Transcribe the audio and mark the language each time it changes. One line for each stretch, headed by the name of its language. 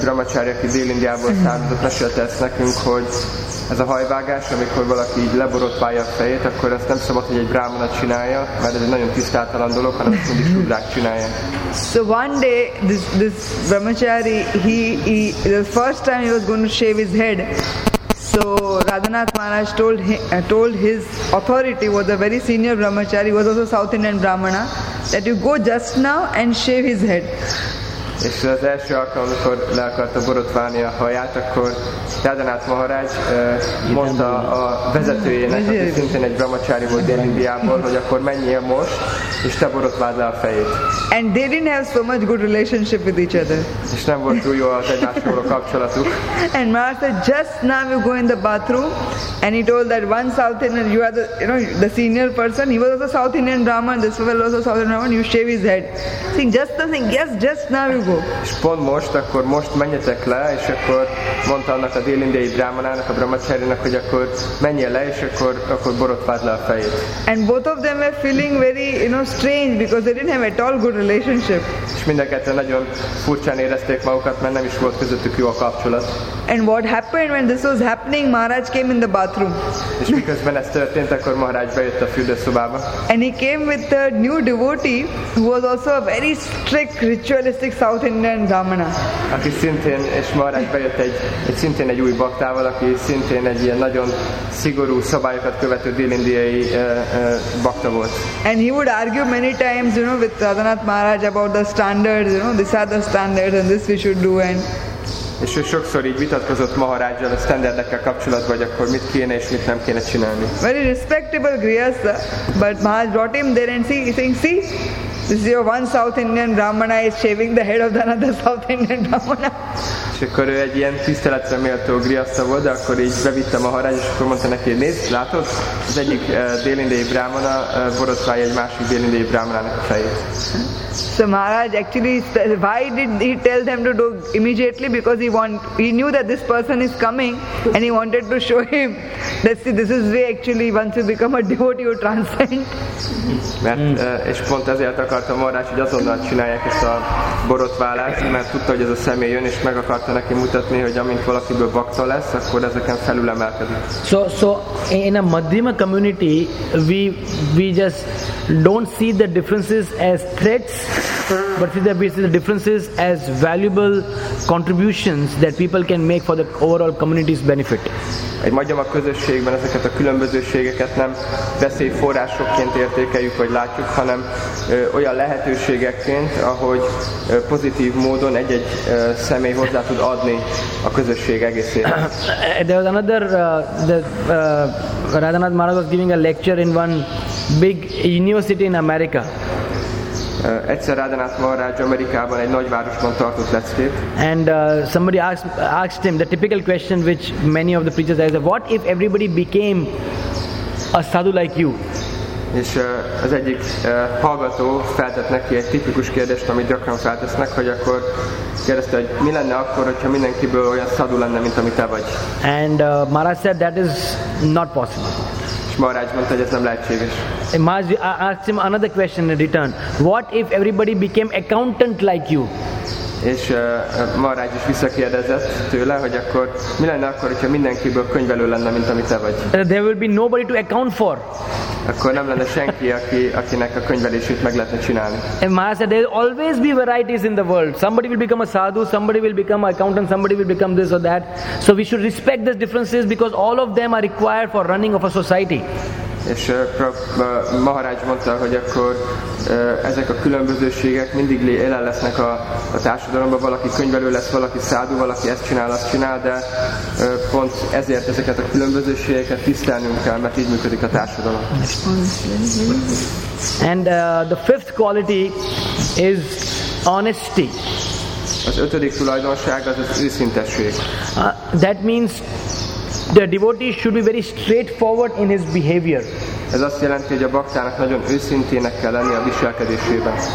Hungarian: brahmacharya, aki Dél-Indiából származott, mesélte ezt nekünk, hogy ez a hajvágás, amikor valaki így leborotválja a fejét, akkor ezt nem szabad, hogy egy brahmana csinálja, mert ez egy nagyon tisztátalan dolog, hanem ezt mindig sudrák csinálják.
English: So one day, this brahmachari, he the first time he was going to shave his head, so Radhanath Maharaj told his authority, was a very senior brahmachari, was also South Indian brahmana, that you go just now and shave his head.
Hungarian: És az első alkalom, amikor le akarta borotválni a haját, akkor Radhanath Maharaj mondta a vezetőjének, aki szintén egy brahmachari volt Dél-Indiából, hogy akkor menjél most, és te borotváld le a fejét.
English: And they didn't have so much good relationship with each other.
Hungarian: És nem volt túl jó az egymásról a kapcsolatuk.
English: And Maharaj, just now you go in the bathroom, and he told that one South Indian, you are the, you know, the senior person, he was also South Indian Brahman, this fellow was also South Indian Brahman, you shave his head. See, just the thing, yes, just now you go.
Hungarian: És pont most, akkor most menjetek le, és akkor mondta annak a dél-indiai brahmanának, a brahmacharinak, hogy akkor menjél le, és akkor borotváld le a fejét.
English: And both of them were feeling very, you know, strange, because they didn't have at all good relationship.
Hungarian: És mindenketten nagyon furcsán érezték magukat, mert nem is volt közöttük jó a kapcsolat.
English: And what happened when this was happening, Maharaj came in the bathroom.
Hungarian: És miközben ez történt, akkor Maharaj bejött a fürdőszobába.
English: And he came with a new devotee, who was also a very strict ritualistic South Indian brahmana.
Hungarian: Aki szintén, és Maharaj bejött egy szintén egy új baktával, aki szintén egy ilyen nagyon szigorú szabályokat követő dél-indiai bakta volt.
English: And he would argue many times, you know, with Radhanath Maharaj about the standards, you know, these are the standards and this we should do, and
Hungarian: és ő sokszor így vitatkozott Maharajjal a standardekkel kapcsolatban, hogy akkor mit kéne és mit nem kéne csinálni.
English: Very respectable Grihastha, but Maharaj brought him there and see, this is your one South Indian Brahmana is shaving the head of another South Indian Brahmana.
Hungarian: És akkor ő egy ilyen tiszteletre méltó Grihastha volt, de akkor így bevitte Maharaj, és akkor mondta neki, nézd, látod, az egyik dél-indiai brahmana borotválja egy másik dél-indiai brahmanának a fejét.
English: So Maharaj actually, why did he tell them to do immediately? Because he knew that this person is coming, and he wanted to show him that see, this is way actually, once you become a devotee, you transcend.
Hungarian: És pont ezért akarta Maharaj, hogy azonnal csinálják ezt a borotválást, mert tudta, hogy ez a személy jön, és meg akarta neki mutatni, hogy amint valakiből bakta lesz, akkor ezeken felül emelkedik.
English: So in a Madhyama community, we just don't see the differences as threats, but see the differences as valuable contributions that people can make for the overall community's benefit.
Hungarian: Egy Madhyama közösségben ezeket a különbözőségeket nem veszélyforrásokként értékeljük, vagy látjuk, hanem olyan lehetőségekként, ahogy pozitív módon egy-egy személy hozzá tud adni a közösség egészére.
English: There was another, Radhanath Maharaj was giving a lecture in one big university in America.
Hungarian: Egyszer Radhanath Maharaj Amerikában egy nagyvárosban tartott leckét.
English: And somebody asked him the typical question which many of the preachers ask: what if everybody became a sadhu like you?
Hungarian: És az egyik hallgató feltett neki egy tipikus kérdést, amit gyakran feltesznek, hogy akkor kérdezte, hogy mi lenne akkor, hogyha mindenkiből olyan sadhu lenne, mint amit te vagy.
English: And Maharaj said that is not possible.
Hungarian: Maharaj mondta, hogy ez nem lehetséges.
English: Maharaj asked him another question in return. What if everybody became accountant like you?
Hungarian: És Maharaj is visszakérdezett tőle, hogy akkor mi lenne akkor, hogyha mindenkiből könyvelő lenne, mint amit te vagy.
English: There will be nobody to account for.
Hungarian: Akkor nem lenne senki, akinek a könyvelését meg lehetne csinálni.
English: And Maharaj said, there will always be varieties in the world. Somebody will become a sadhu, somebody will become an accountant, somebody will become this or that. So we should respect these differences because all of them are required for running of a society.
Hungarian: És Maharaj mondta, hogy akkor ezek a különbözőségek mindig jelen lesznek a társadalomban, valaki könyvelő lesz, valaki szádú, valaki ezt csinál, azt csinál, de pont ezért ezeket a különbözőségeket tisztelnünk kell, mert így működik a társadalom.
English: And the fifth quality is honesty.
Hungarian: Az ötödik tulajdonság az őszintesség.
English: That means the devotee should be very straightforward in his behavior.
Hungarian: Ez azt jelenti, hogy a baktának nagyon őszintének kell lennie a viselkedésében.